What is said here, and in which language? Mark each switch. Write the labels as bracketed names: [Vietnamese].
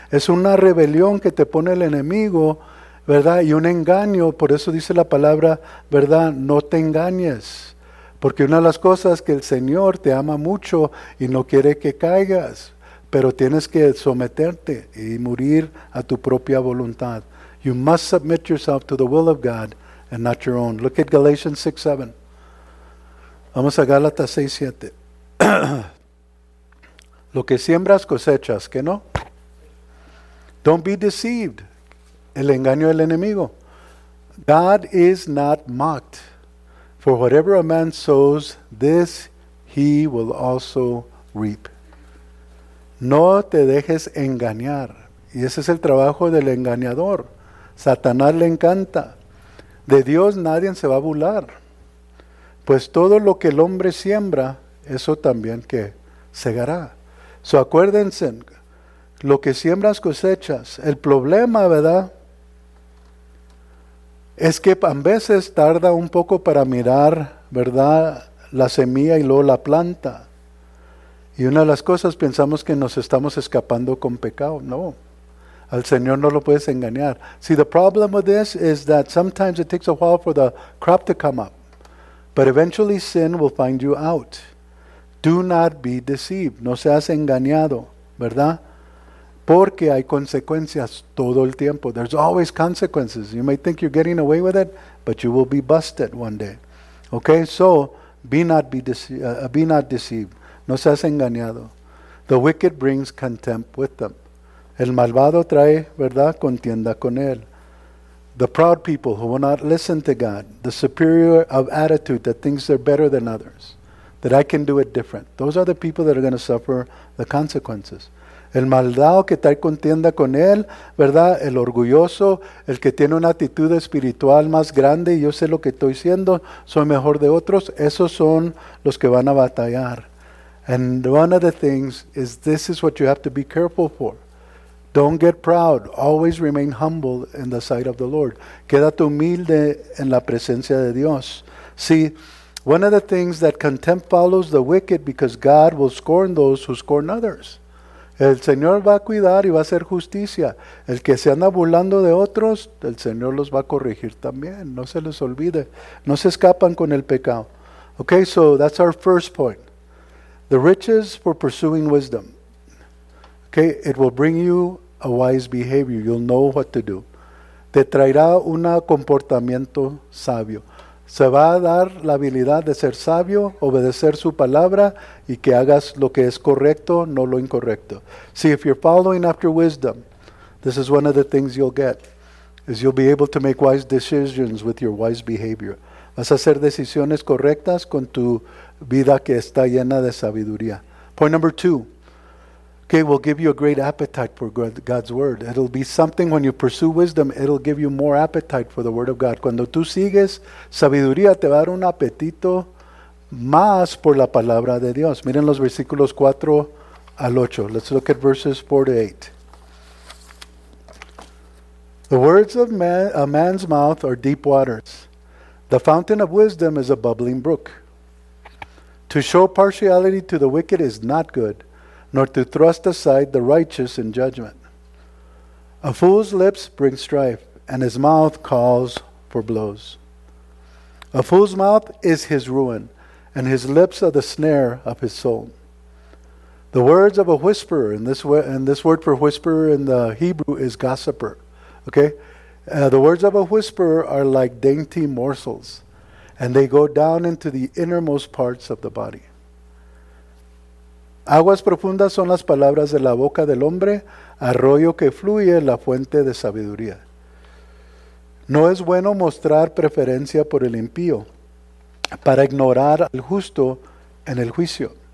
[Spanish] Es una rebelión que te pone el enemigo, ¿verdad? Y un engaño, por eso dice la palabra, ¿verdad? No te engañes. Porque una de las cosas que el Señor te ama mucho y no quiere que caigas, pero tienes que someterte y morir a tu propia voluntad. [English] You must submit yourself to the will of God and not your own. Look at Galatians 6:7. [Spanish] Vamos a Gálatas 6:7. Lo que siembras cosechas, ¿qué no? [English] Don't be deceived. [Spanish] El engaño del enemigo. [English] God is not mocked. For whatever a man sows, this he will also reap. [Spanish] No te dejes engañar. Y ese es el trabajo del engañador. Satanás le encanta. De Dios nadie se va a burlar. Pues todo lo que el hombre siembra, eso también que segará. So acuérdense, lo que siembras cosechas. El problema, ¿verdad? Es que a veces tarda un poco para mirar, ¿verdad? La semilla y luego la planta. Y una de las cosas, pensamos que nos estamos escapando con pecado. No. Al Señor no lo puedes engañar. [English] See, the problem with this is that sometimes it takes a while for the crop to come up. But eventually sin will find you out. Do not be deceived. [Spanish] No seas engañado, ¿verdad? Porque hay consecuencias todo el tiempo. [English] There's always consequences. You may think you're getting away with it, but you will be busted one day. Okay, so be not deceived. [Spanish] No seas engañado. [English] The wicked brings contempt with them. [Spanish] El malvado trae, ¿verdad?, contienda con él. [English] The proud people who will not listen to God. The superior of attitude that thinks they're better than others. That I can do it different. Those are the people that are going to suffer the consequences. [Spanish] El malvado que trae contienda con él, ¿verdad? El orgulloso, el que tiene una actitud espiritual más grande y yo sé lo que estoy siendo, soy mejor de otros. Esos son los que van a batallar. [English] And one of the things is this is what you have to be careful for. Don't get proud. Always remain humble in the sight of the Lord. [Spanish] Quédate humilde en la presencia de Dios. [English] See, one of the things that contempt follows the wicked because God will scorn those who scorn others. [Spanish] El Señor va a cuidar y va a hacer justicia. El que se anda burlando de otros, el Señor los va a corregir también. No se les olvide. No se escapan con el pecado. [English] Okay, so that's our first point. The riches for pursuing wisdom. Okay, it will bring you a wise behavior. You'll know what to do. [Spanish] Te traerá un comportamiento sabio. Se va a dar la habilidad de ser sabio, obedecer su palabra y que hagas lo que es correcto, no lo incorrecto. [English] See, if you're following after wisdom, this is one of the things you'll get, is you'll be able to make wise decisions with your wise behavior. [Spanish] Vas a hacer decisiones correctas con tu vida que está llena de sabiduría. [English] Point number two. Okay, will give you a great appetite for God's word. It'll be something when you pursue wisdom, it'll give you more appetite for the word of God. [Spanish] Cuando tú sigues sabiduría, te va a dar un apetito más por la palabra de Dios. Miren los versículos 4 al 8. [English] Let's look at verses 4 to 8. The words of a man's mouth are deep waters. The fountain of wisdom is a bubbling brook. To show partiality to the wicked is not good, nor to thrust aside the righteous in judgment. A fool's lips bring strife, and his mouth calls for blows. A fool's mouth is his ruin, and his lips are the snare of his soul. The words of a whisperer, and this word for whisperer in the Hebrew is gossiper. Okay? The words of a whisperer are like dainty morsels, and they go down into the innermost parts of the body. [Spanish] Aguas profundas son las palabras de la boca del hombre, arroyo que fluye la fuente de sabiduría. No es bueno mostrar preferencia por el impío, para ignorar al justo en el juicio.